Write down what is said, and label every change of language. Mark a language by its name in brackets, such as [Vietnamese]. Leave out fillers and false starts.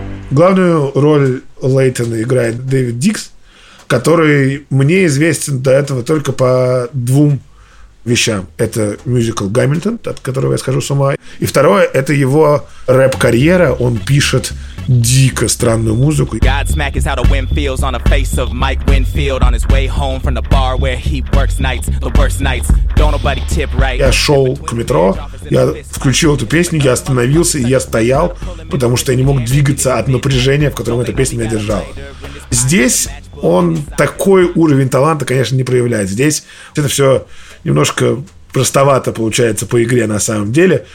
[Russian] Главную роль Лейтона играет Дэвид Дикс, который мне известен до этого только по двум вещам. Это мюзикл «Гамильтон», от которого я схожу с ума. И второе, это его рэп-карьера. Он пишет дико странную музыку. [English] Godsmack is how the wind feels on the face of Mike Winfield on his way home from the bar where he works nights, the worst nights. Don't nobody tip right. [Russian] Я шел к метро, я включил эту песню, я остановился и я стоял, потому что я не мог двигаться от напряжения, в котором эта песня меня держала. Здесь он такой уровень таланта, конечно, не проявляет. Здесь это все немножко простовато получается по игре на самом деле.